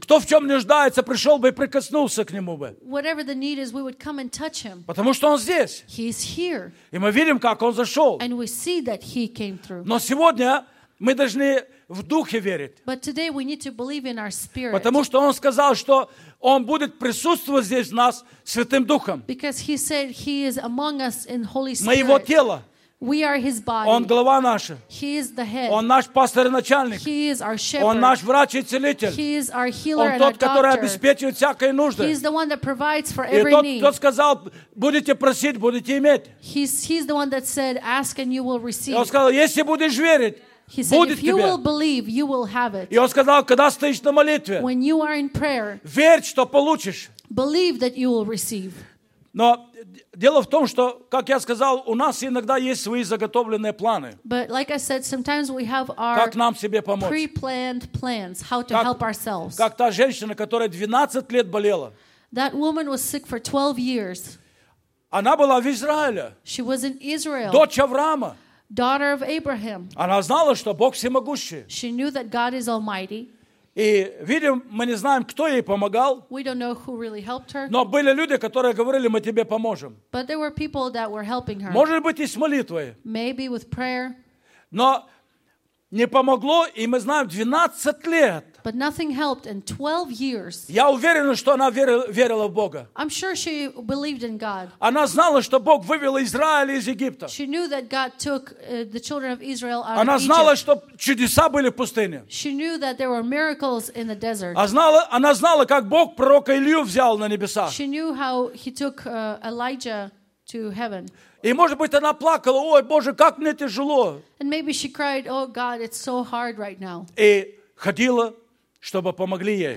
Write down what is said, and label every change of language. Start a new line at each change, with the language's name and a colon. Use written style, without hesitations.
Russian: Кто в чем нуждается, пришел бы и прикоснулся к Нему бы.
English: Whatever the need is, we would come and touch Him.
Russian: Потому что Он здесь.
English: He's here.
Russian: И мы видим, как Он зашел.
English: And we see that He came through.
Russian: Но сегодня мы должны в Духе верить.
English: But today we need to believe in our spirit.
Russian: Потому что Он сказал, что Он будет присутствовать здесь в нас Святым Духом.
English: Because He said He is among us in Holy Spirit.
Russian: Мы Его тело.
English: We are His body.
Russian: Он глава наша.
English: He is the head.
Russian: Он наш пастор и начальник.
English: He is our shepherd.
Russian: Он наш врач и целитель.
English: He is our healer and doctor.
Russian: Он тот, который обеспечивает всякой нужды.
English: He is the one that provides for every need.
Russian: И тот, кто сказал, будете просить, будете иметь.
English: He's the one that said, ask and you will receive.
Russian: И он сказал, если будешь верить,
English: He said, if you
Russian: тебе.
English: Will believe, you will have it.
Russian: И он сказал, когда стоишь на молитве,
English: when you are in prayer,
Russian: верь, что получишь.
English: Believe that you will receive.
Russian: Но дело в том, что, как я сказал, у нас иногда есть свои заготовленные планы.
English: But like I said, sometimes we have our
Russian: как нам себе помочь?
English: Pre-planned plans, how to help ourselves.
Russian: Как та женщина, которая 12 лет болела.
English: That woman was sick for 12 years.
Russian: Она была в Израиле.
English: She was in Israel.
Russian: Дочь Авраама.
English: Daughter of Abraham.
Russian: Она знала, что Бог всемогущий.
English: She knew that God is almighty.
Russian: И видим, мы не знаем, кто ей помогал.
English: We don't know who really helped her.
Russian: Но были люди, которые говорили, мы тебе поможем.
English: But there were people that were helping her.
Russian: Может быть, и с молитвой.
English: Maybe with prayer.
Russian: Но не помогло, и мы знаем, 12 лет.
English: But nothing helped in 12 years.
Russian: Я уверен, что она верила в Бога.
English: I'm sure she believed in God.
Russian: Она знала, что Бог вывел Израиль из Египта.
English: She knew that God took the children of Israel out of Egypt.
Russian: Она знала, что чудеса были в пустыне.
English: She knew that there were miracles in the desert.
Russian: Она знала, как Бог пророка Илью взял на небеса.
English: She knew how he took Elijah to heaven.
Russian: И, может быть, она плакала, ой, Боже, как мне тяжело.
English: And maybe she cried, oh God, it's so hard right now.
Russian: И ходила, чтобы помогли ей.